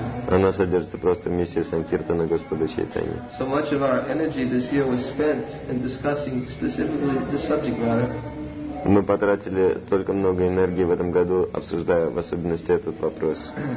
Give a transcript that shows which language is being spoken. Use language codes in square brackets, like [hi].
[ru] Она содержится просто в миссии Санкиртана Господа Чайтаньи. [en] So much of our energy this year was spent in discussing specifically this subject matter. [ru] Мы потратили столько много энергии в этом году, обсуждая в особенности этот вопрос.